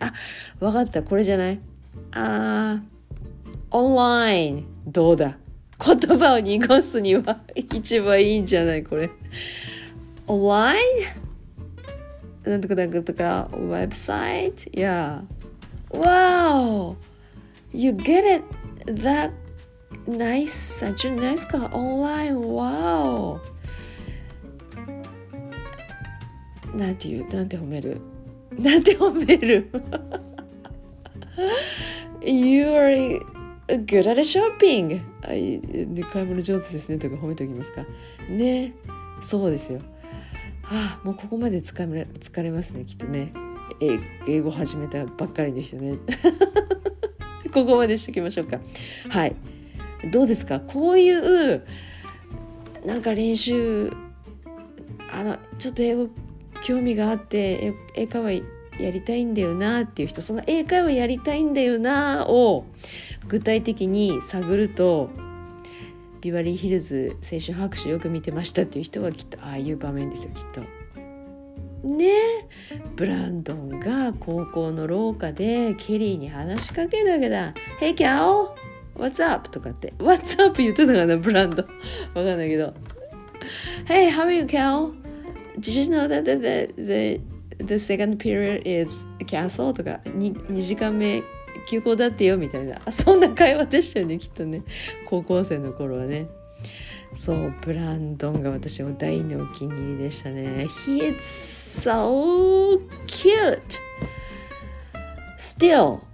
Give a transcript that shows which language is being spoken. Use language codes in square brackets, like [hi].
[ja] あ、分かった、これじゃない、あー、オンライン、どうだ、言葉を濁すには一番いいんじゃない、これオンラインなんとかなんかとか、ウェブサイト、いや、Wow! [en] You get it that nice, such a nice car online, wow! [ja] なんて言う、なんて褒める、なんて褒める。 [en] You are good at shopping! [ja] 買い物上手ですねとか褒めておきますか。ね、そうですよ。はあ、もうここまで疲れますねきっとね、英語始めたばっかりの人ね。ここまでしときましょうか。はい、どうですか、こういうなんか練習、あの、ちょっと英語興味があって英会話やりたいんだよなっていう人、その英会話やりたいんだよなを具体的に探ると、ビバリーヒルズ青春白書よく見てましたっていう人はきっとああいう場面ですよきっと。ね、ブランドンが高校の廊下でケリーに話しかけるわけだ。 [en] Hey girl, what's up? [ja] とかって [en] What's up? [ja] 言ってたかな、ブランドン。わかんないけど [en] Hey, how are you, girl? Did you know that the second period is canceled? [ja] とか 2時間目休校だってよみたいな、そんな会話でしたよね、きっとね、高校生の頃はね。そう、ブランドンが私も大のお気に入りでしたね。 [en] He is so cute! Still!